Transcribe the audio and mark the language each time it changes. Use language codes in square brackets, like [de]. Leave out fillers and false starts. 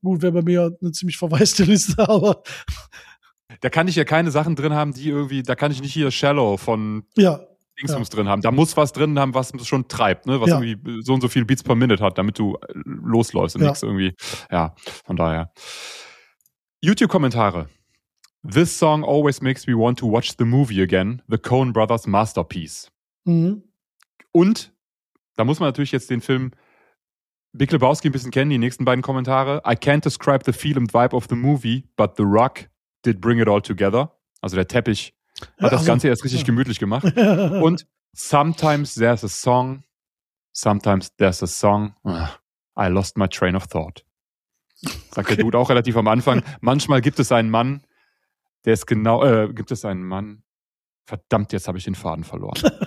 [de] Gut, wäre bei mir eine ziemlich verwaiste Liste, aber. Da kann ich ja keine Sachen drin haben, die irgendwie, da kann ich nicht hier Shallow von Dingsums drin haben. Da muss was drin haben, was schon treibt, ne? Was irgendwie so und so viele Beats per Minute hat, damit du losläufst und nichts irgendwie. Ja, von daher. YouTube-Kommentare. [en] This song always makes me want to watch the movie again. The Coen Brothers Masterpiece. Mhm. [de] Und da muss man natürlich jetzt den Film Big Lebowski ein bisschen kennen, die nächsten beiden Kommentare. [en] I can't describe the feel and vibe of the movie, but The Rock did bring it all together. [de] Also der Teppich hat das Ganze erst richtig gemütlich gemacht. Und [en] sometimes there's a song, I lost my train of thought. [de] Sagt der Dude auch relativ am Anfang. Manchmal gibt es einen Mann, verdammt, jetzt habe ich den Faden verloren.